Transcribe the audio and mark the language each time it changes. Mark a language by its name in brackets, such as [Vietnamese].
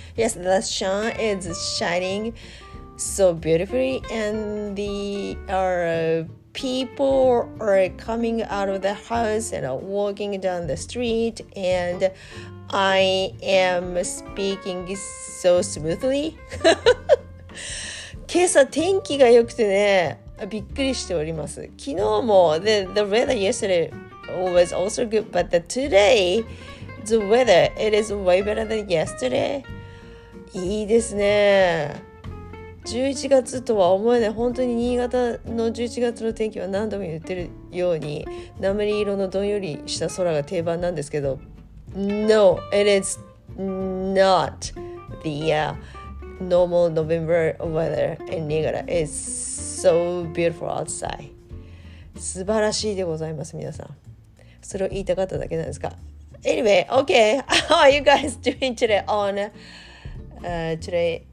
[English] Yes, the sun is shining so beautifully and the people are coming out of the house and are walking down the street, and I am speaking so smoothly. [Japanese] 今朝天気が良くてね、びっくりしております。昨日も [English] the weather yesterday was also good, but today the weather it is way better than yesterday. [Japanese] いいですね。 11月とは思えない、本当に新潟の11月の天気は何度も言ってるように鉛色のどんよりした空が定番なんですけど、 [English] No, it is not the normal November weather in 新潟. It's so beautiful outside. [Japanese] 素晴らしいでございます、皆さん。それを言いたかっただけなんですか。 [English] Anyway, okay, how are you guys doing today on today?